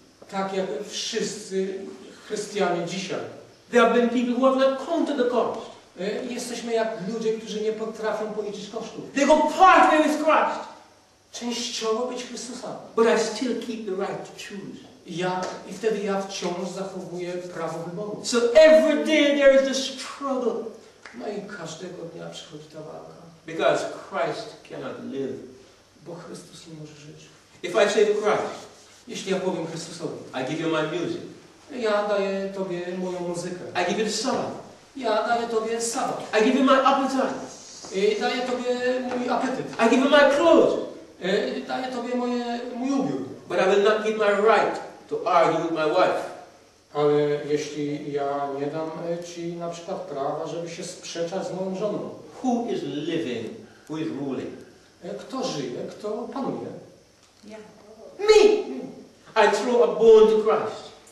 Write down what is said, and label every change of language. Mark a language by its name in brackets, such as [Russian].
[Polish] Tak jak wszyscy chrześcijanie dzisiaj. [English] There have been people who have not counted the cost. [Polish] Jesteśmy jak ludzie, którzy nie potrafią policzyć kosztów. [English] They go partly with Christ. [Polish] Częściowo być Chrystusa. [English] But I still keep the right to choose. [Polish] I wtedy ja wciąż zachowuję prawo wyboru. [English] So every day there is a struggle. [Polish] No i każdego dnia przychodzi ta walka. [English] Because Christ cannot live. [Polish] Bo Chrystus nie może żyć. [English] If I say to Christ. [Polish] Jeśli ja powiem Chrystusowi. [English] I give you my music. [Polish] Ja daję Tobie moją muzykę. [English] I give you the Sabbath. [Polish] Ja daję Tobie Sabbath. [English] I give you my appetite. [Polish] I daję Tobie mój apetyt. [English] I give you my clothes. [Polish] Daję Tobie mój ubiór. [English] But I will not give my right to argue with my wife. [Polish] Ale jeśli ja nie dam Ci na przykład prawa, żeby się sprzeczać z moją żoną. [English] Who is living? Who is ruling? [Polish] Kto żyje? Kto panuje? Ja. [English] Me! I throw a bone to Christ.